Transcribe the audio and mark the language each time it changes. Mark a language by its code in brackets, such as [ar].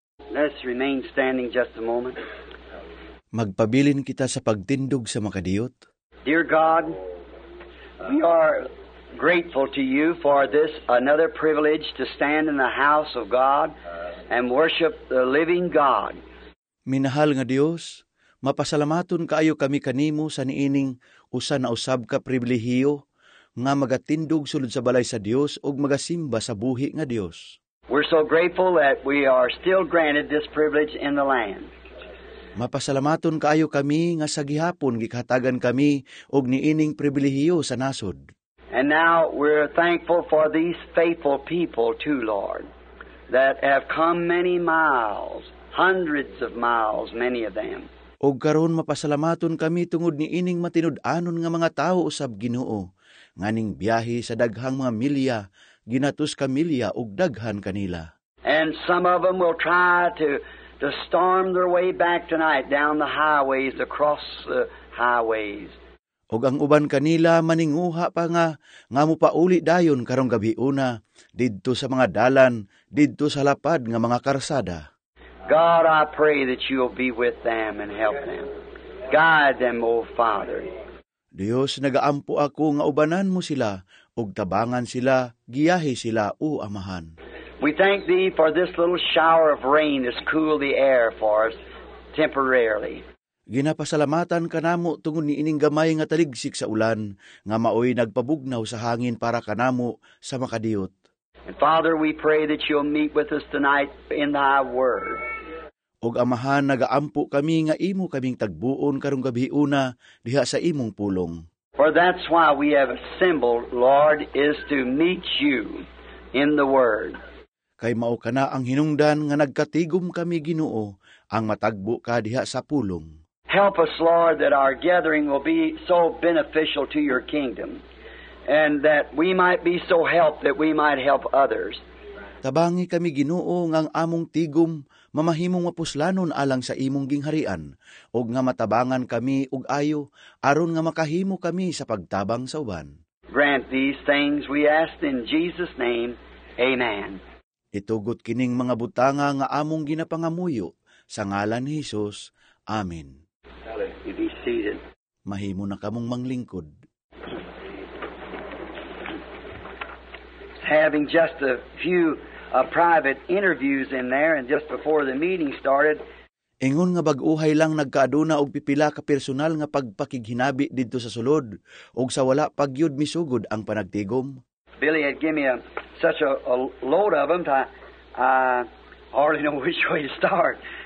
[en] Let's remain standing just a moment. [ceb] Magpabilin kita sa pagtindog sa makadiyot. [en] Dear God, we are grateful to you for this another privilege to stand in the house of God and worship the living God. [ceb] Minahal nga Dios, mapasalamaton kaayo kami kanimo sa niining usa na usab ka pribilehiyo nga magatindog sulod sa balay sa Dios ug magasimba sa buhi nga Dios. [en] We're so grateful that we are still granted this privilege in the land. [ceb] Mapasalamaton kaayo kami nga sa gihapon gikatagan kami og niining pribilehiyo sa nasod. [en] And now we're thankful for these faithful people too, Lord, that have come many miles, hundreds of miles, many of them. [ceb] Og karon mapasalamaton kami tungod niining matinud-anon nga mga tawo usab Ginoo nganing biyahe sa daghang mga milya. Ginatus kamilya ug daghan kanila. [en] And some of them will try to storm their way back tonight down the highways, across the highways. [ceb] Ug ang uban kanila maninguha pa nga mo pauli dayon karong gabi una didto sa mga dalan, didto sa lapad nga mga karsada. [en] God, I pray that you will be with them and help them. Guide them, O Father. [ceb] Dios, nagaampo ako nga ubanan mo sila. Og tabangan sila, giyahi sila, o Amahan. [en] We thank Thee for this little shower of rain that's cooled the air for us temporarily. [ceb] Ginapasalamatan kanamo tungod ni ining gamay nga taligsik sa ulan, nga maoy nagpabugnaw sa hangin para kanamo sa makadiyot. [en] And Father, we pray that You'll meet with us tonight in Thy Word. [ceb] Og Amahan, nagaampo kami nga imo kaming tagbuon karong gabi una diha sa imong pulong. [en] For that's why we have assembled, Lord, is to meet you in the Word. [ceb] Kay mao kana ang hinungdan nga nagkatigum kami Ginoo, ang matagbo ka diha sa pulong. [en] Help us, Lord, that our gathering will be so beneficial to your kingdom, and that we might be so helped that we might help others. [ceb] Tabangi kami Ginoo nga ang among tigum mamahimong mapuslanon alang sa imong gingharian, og nga matabangan kami og ayo aron nga makahimo kami sa pagtabang sa uban. [en] Grant these things we ask in Jesus' name. Amen. [ceb] Itugot kining mga butanga nga among ginapangamuyo sa ngalan ni Jesus. [en] Amen. You be seated. [ceb] Mahimo na kamong manglingkod. [en] Having just a few private interviews in there, and just before the meeting started. [ceb] Ingon nga baguhay lang nagkaaduna og pipila ka personal nga pagpakighinabi dito sa sulod, og sa wala pagyud misugod ang panagtigom. [en] Billy had given me such a load of them that I hardly know which way to start.